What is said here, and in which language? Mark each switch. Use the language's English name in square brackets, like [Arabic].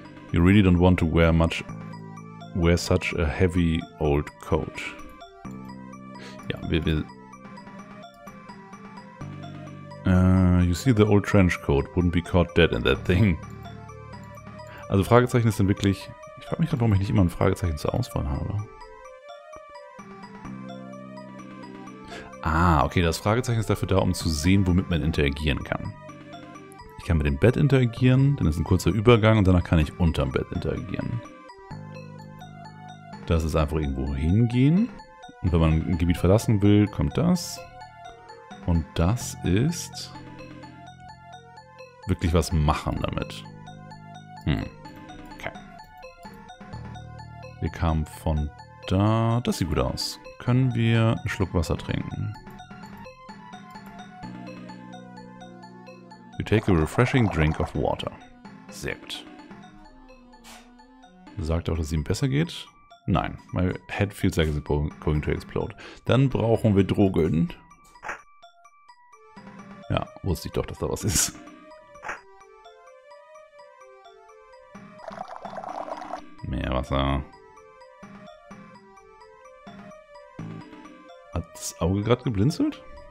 [English] You really don't want to wear such a heavy old coat. [German] Ja, wir [English] you see the old trench coat, wouldn't be caught dead in that thing. [German] Also Fragezeichen ist dann wirklich, ich frage mich gerade, warum ich nicht immer ein Fragezeichen zur Auswahl habe. Ah, okay, das Fragezeichen ist dafür da, um zu sehen, womit man interagieren kann. Ich kann mit dem Bett interagieren, dann ist ein kurzer Übergang und danach kann ich unterm Bett interagieren. Das ist einfach irgendwo hingehen. Und wenn man ein Gebiet verlassen will, kommt das. Und das ist wirklich was machen damit. Okay. Wir kamen von da. Das sieht gut aus. Können wir einen Schluck Wasser trinken? [English] You take a refreshing drink of water. [German] Sehr gut. Sagt auch, dass es ihm besser geht? Nein. [English] My head feels like it's going to explode. [German] Dann brauchen wir Drogen. Ja, wusste ich doch, dass da was ist. Mehr Wasser. Hat das Auge gerade geblinzelt?